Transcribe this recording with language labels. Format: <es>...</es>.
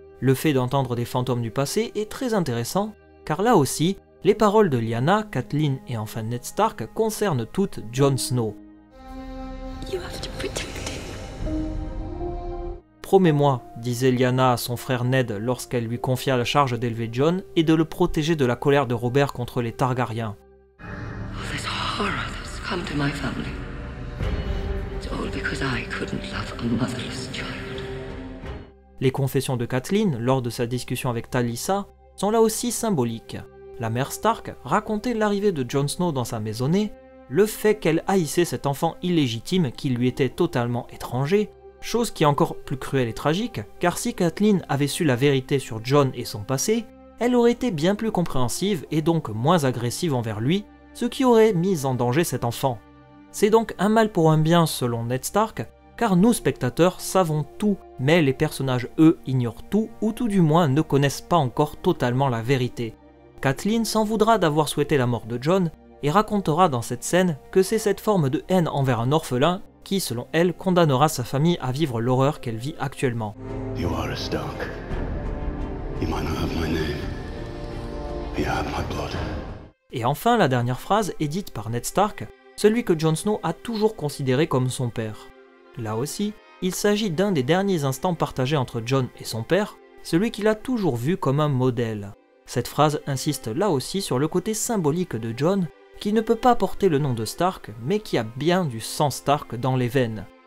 <fr>Le fait d'entendre des fantômes du passé est très intéressant, car là aussi, les paroles de Lyanna, Catelyn et enfin Ned Stark concernent toutes Jon Snow.</fr> <en>You have to protect him.</en> <fr>Promets-moi, disait Lyanna à son frère Ned lorsqu'elle lui confia la charge d'élever Jon et de le protéger de la colère de Robert contre les Targaryens.</fr> <en>All this horror that's come to my family. It's all because I couldn't love a motherless child.</en> <fr>Les confessions de Catelyn lors de sa discussion avec Talissa sont là aussi symboliques. La mère Stark racontait l'arrivée de Jon Snow dans sa maisonnée, le fait qu'elle haïssait cet enfant illégitime qui lui était totalement étranger, chose qui est encore plus cruelle et tragique, car si Catelyn avait su la vérité sur Jon et son passé, elle aurait été bien plus compréhensive et donc moins agressive envers lui, ce qui aurait mis en danger cet enfant. C'est donc un mal pour un bien selon Ned Stark, car nous spectateurs savons tout, mais les personnages eux ignorent tout, ou tout du moins ne connaissent pas encore totalement la vérité. Catelyn s'en voudra d'avoir souhaité la mort de Jon et racontera dans cette scène que c'est cette forme de haine envers un orphelin qui, selon elle, condamnera sa famille à vivre l'horreur qu'elle vit actuellement.</fr> <en>You are a Stark. You might not have my name, but you have my blood.</en> <fr>Et enfin, la dernière phrase est dite par Ned Stark, celui que Jon Snow a toujours considéré comme son père. Là aussi, il s'agit d'un des derniers instants partagés entre Jon et son père, celui qu'il a toujours vu comme un modèle. Cette phrase insiste là aussi sur le côté symbolique de Jon, qui ne peut pas porter le nom de Stark, mais qui a bien du sang Stark dans les veines.</fr>